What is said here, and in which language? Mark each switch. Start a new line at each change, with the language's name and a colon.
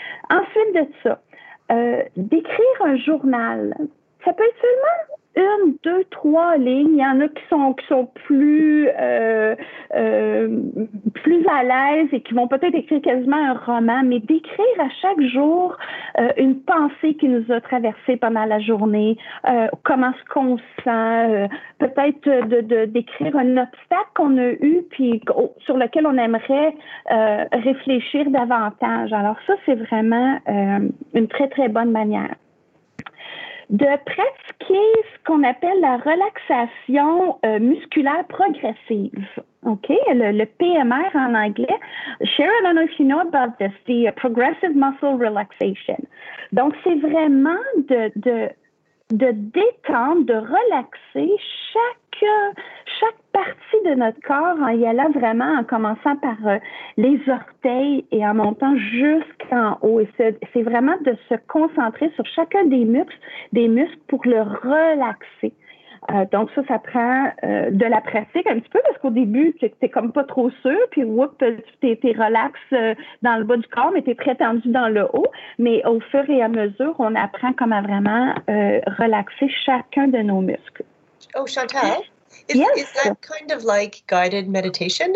French: Ensuite de ça, d'écrire un journal, ça peut être seulement une, deux, trois lignes. Il y en a qui sont plus à l'aise et qui vont peut-être écrire quasiment un roman, mais d'écrire à chaque jour une pensée qui nous a traversée pendant la journée, comment est-ce qu'on sent, peut-être d'écrire un obstacle qu'on a eu puis sur lequel on aimerait réfléchir davantage. Alors ça, c'est vraiment une très, très bonne manière. De pratiquer ce qu'on appelle la relaxation musculaire progressive, OK? Le PMR en anglais.
English: Sharon, I don't know if you know about this, the progressive muscle relaxation.
French: Donc, c'est vraiment de détendre, de relaxer chaque partie de notre corps en y allant vraiment, en commençant par les orteils et en montant jusqu'en haut. Et c'est vraiment de se concentrer sur chacun des muscles pour le relaxer. Donc ça prend de la pratique un petit peu parce qu'au début, t'es comme pas trop sûr, puis whoop, t'es relax dans le bas du corps, mais t'es très tendu dans le haut. Mais au fur et à mesure, on apprend comme à vraiment relaxer chacun de nos muscles.
English: Oh, Chantal, is that kind of like guided meditation?